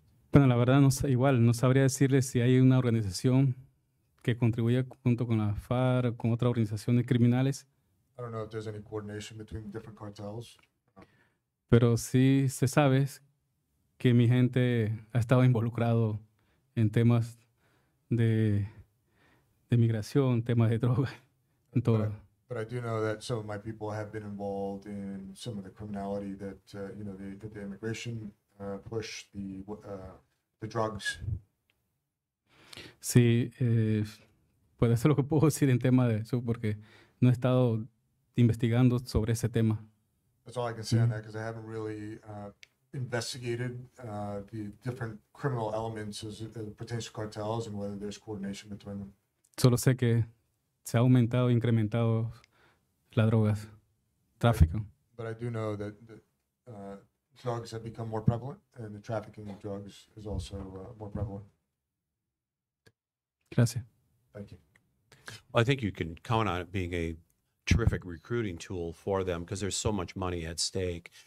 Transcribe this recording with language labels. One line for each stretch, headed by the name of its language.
Spanish: Bueno, la verdad, no, igual, no sabría decirle si hay una organización que contribuya junto con la FARC, con otras organizaciones criminales.
English: I don't know if there's any coordination between different cartels.
Spanish: Pero sí se sabe que mi gente ha estado involucrado en temas de migración, temas de droga, en todo.
English: But I do know that some of my people have been involved in some of the criminality that, you know, the immigration push, the drugs.
Spanish: Sí, pues eso es lo que puedo decir en tema de eso, porque no he estado investigando sobre ese tema.
English: That's all I can say on that, because I haven't really investigated the different criminal elements as pertains to cartels and whether there's coordination between them.
Spanish: Solo sé que se ha aumentado, incrementado las drogas, tráfico.
English: But I do know that drugs have become more prevalent, and the trafficking of drugs is also more prevalent.
Spanish: Gracias.
English: Thank you. Well, I think you can count on it being a terrific recruiting tool for them, because there's so much money at stake.